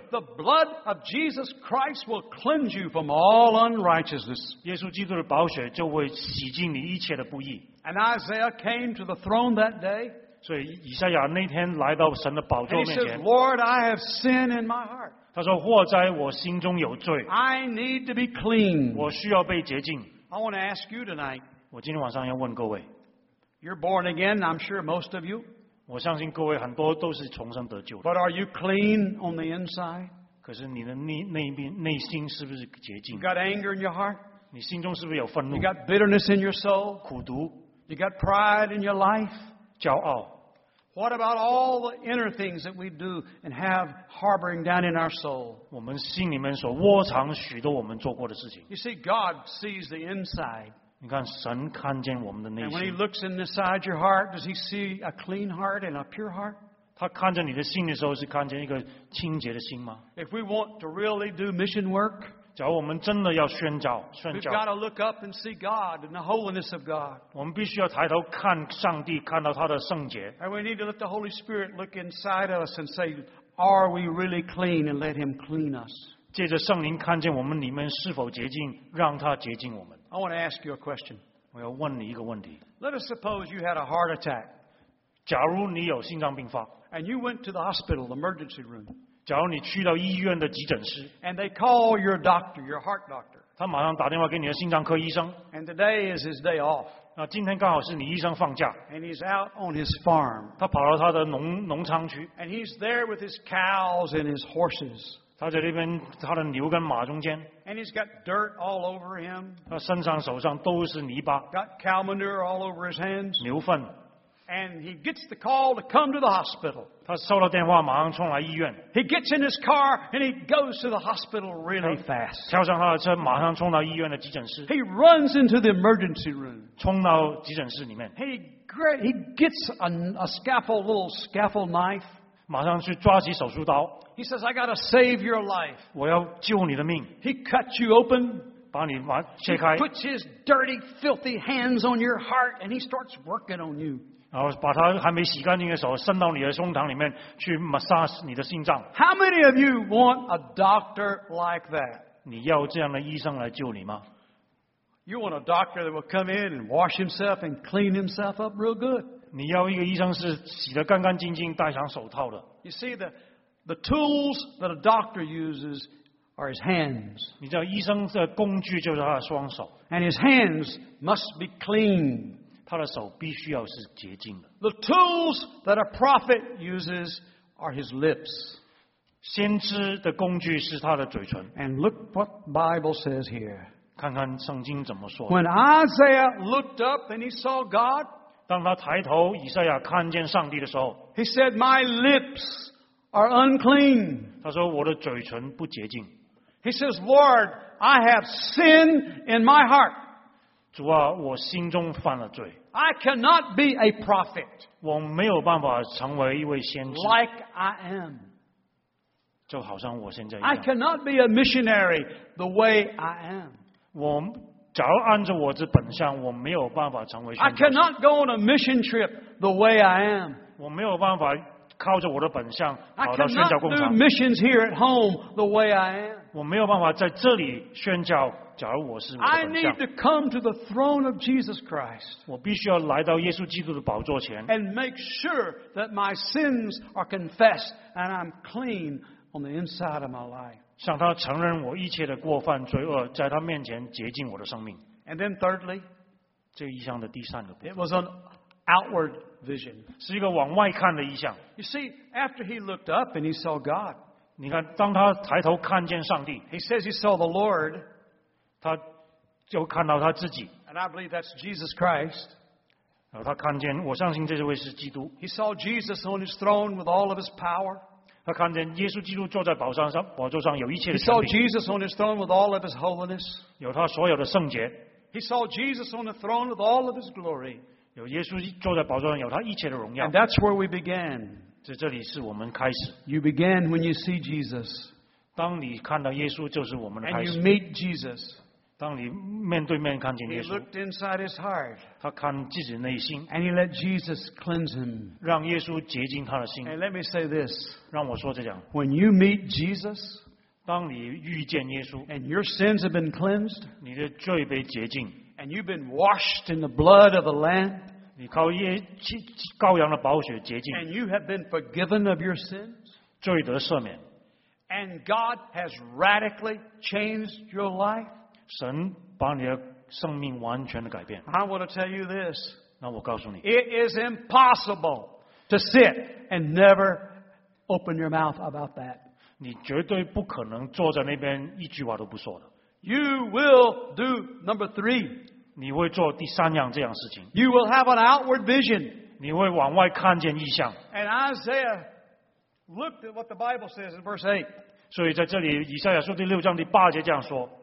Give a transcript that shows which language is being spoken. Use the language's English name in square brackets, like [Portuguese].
[English] The blood of Jesus Christ will cleanse you from all unrighteousness. [Chinese] 耶稣基督的宝血就会洗净你一切的不义 [English] And Isaiah came to the throne that day. [Chinese] 所以以赛亚那天来到神的宝座面前 [English] And he said, Lord, I have sin in my heart. [Chinese] 他说祸哉我心中有罪 [English] I need to be clean. [Chinese] 我需要被洁净 [English] I want to ask you tonight. [Chinese] 我今天晚上要问各位 [English] You're born again, I'm sure most of you. [Chinese] 我相信各位很多都是重生得救的。 [English] But are you clean on the inside? [Chinese] 可是你的内心是不是洁净 [English] ？You got anger in your heart? [Chinese] 你心中是不是有愤怒 [English] ？You got bitterness in your soul? [Chinese] 苦毒 [English] ？You got pride in your life? [Chinese] 骄傲 [English] ？What about all the inner things that we do and have harboring down in our soul? [Chinese] 我们心里面所窝藏许多我们做过的事情。 [English] You see, God sees the inside. [Chinese] 你看神看见我们的内心 [English] And when he looks inside your heart, does he see a clean heart and a pure heart? [Chinese] 他看着你的心的时候是看见一个清洁的心吗 [English] If we want to really do mission work, [Chinese] 假如我们真的要宣教 [English] we've got to look up and see God and the holiness of God. [Chinese] 我们必须要抬头看上帝看到他的圣洁 [English] And we need to let the Holy Spirit look inside us and say, are we really clean and let him clean us? [Chinese] 借着圣灵看见我们里面是否洁净让他洁净我们 [English] I want to ask you a question. [Chinese] 我要问你一个问题。 [English] Let us suppose you had a heart attack. [Chinese] 假如你有心脏病发。 [English] And you went to the hospital, the emergency room. [Chinese] 假如你去到医院的急诊室 [English] ，and they call your doctor, your heart doctor. [Chinese] 他马上打电话给你的心脏科医生。 [English] And today is his day off. [Chinese] 那今天刚好是你医生放假。 [English] And he's out on his farm. [Chinese] 他跑到他的农场去。 [English] And he's there with his cows and his horses. [Chinese] 他在这边他的牛跟马中间。 [English] And he's got dirt all over him. [Chinese] 他身上手上都是泥巴。 [English] Got cow manure all over his hands. [Chinese] 牛粪。 [English] And he gets the call to come to the hospital. [Chinese] 他收到电话，马上冲来医院。 [English] He gets in his car and he goes to the hospital really fast. [Chinese] 跳上他的车，马上冲到医院的急诊室。 [English] He runs into the emergency room. [Chinese] 冲到急诊室里面。 [English] He gets a little scalpel knife. [Chinese] 马上去抓起手术刀。 [English] He says, "I gotta save your life." [Chinese] 我要救你的命。 [English] He cuts you open. [Chinese] 把你把切开。 [English] He puts his dirty, filthy hands on your heart and he starts working on you. [Chinese] 然后把他还没洗干净的手伸到你的胸膛里面去 massage 你的心脏。 [English] How many of you want a doctor like that? [Chinese] 你要这样的医生来救你吗？ [English] You want a doctor that will come in and wash himself and clean himself up real good. [Chinese] 你要一个医生是洗得干干净净戴上手套的。 [English] You see, the tools that a doctor uses are his hands. [Chinese] 你知道医生的工具就是他的双手。 [English] And his hands must be clean. [Chinese] 他的手必须要是洁净的。 [English] The tools that a prophet uses are his lips. [Chinese] 先知的工具是他的嘴唇。 [English] And look what Bible says here. [Chinese] 看看圣经怎么说。 [English] When Isaiah looked up and he saw God, [Chinese] 当他抬头，以赛亚看见上帝的时候， [English] he said, "My lips are unclean." [Chinese] 他说我的嘴唇不洁净。 [English] He says, "Lord, I have sin in my heart." [Chinese] 主啊，我心中犯了罪。 [English] I cannot be a prophet. [Chinese] 我没有办法成为一位先知。 [English] Like I am. [Chinese] 就好像我现在一 [English] 样。I cannot be a missionary the way I am. [Chinese] 我假如按照我的本相，我没有办法成为宣 [English] 教士。I cannot go on a mission trip the way I am. [Chinese] 我没有办法靠着我的本相跑到宣教工厂。 [English] I cannot do missions here at home the way I am. [Chinese] 我没有办法在这里宣教。 [English] I need to come to the throne of Jesus Christ. [Chinese] 我必须要来到耶稣基督的宝座前。 [English] And make sure that my sins are confessed and I'm clean on the inside of my life. [Chinese] 向他承认我一切的过犯罪恶，在他面前洁净我的生命。 [English] And then thirdly, [Chinese] 这一项的第三个部分。 [English] It was an outward vision. [Chinese] 是一个往外看的一项。 [English] You see, after he looked up and he saw God. [Chinese] 你看，当他抬头看见上帝。 [English] He says he saw the Lord. [Chinese] 他就看到他自己。 [English] And I believe that's Jesus Christ. [Chinese] 然后他看见，我相信这位是基督。 [English] He saw Jesus on his throne with all of his power. [Chinese] 他看见耶稣基督坐在宝座上，宝座上有一切的权 [English] 柄。He saw Jesus on his throne with all of his holiness. [Chinese] 有他所有的圣洁。 [English] He saw Jesus on the throne with all of his glory. [Chinese] 有耶稣坐在宝座上，有他一切的荣耀。 [English] And that's where we began. [Chinese] 这里是我们开始。 [English] You began when you see Jesus. [Chinese] 当你看到耶稣，就是我们的开始。 [English] And you meet Jesus. [Chinese] 当你面对面看见耶稣， [English] he looked inside his heart, [Chinese] 他看自己内心， [English] and he let Jesus cleanse him. [Chinese] 让耶稣洁净他的心。 [English] And let me say this, [Chinese] 让我说这样。 [English] When you meet Jesus, [Chinese] 当你遇见耶稣， [English] and your sins have been cleansed, [Chinese] 你的罪被洁净， [English] and you've been washed in the blood of the Lamb, [Chinese] 你靠羔羊的宝血洁净， [English] and you have been forgiven of your sins, [Chinese] 罪得赦免， [English] and God has radically changed your life, [Chinese] 神把你的生命完全的改变。 [English] I want to tell you this. [Chinese] 那我告诉你。 [English] It is impossible to sit and never open your mouth about that. [Chinese] 你绝对不可能坐在那边一句话都不说的。 [English] You will do number three. [Chinese] 你会做第三样这样事情。 [English] You will have an outward vision. [Chinese] 你会往外看见异象。 [English] And Isaiah looked at what the Bible says in verse 8. [Chinese] 所以在这里，以赛亚书第六章第八节这样说。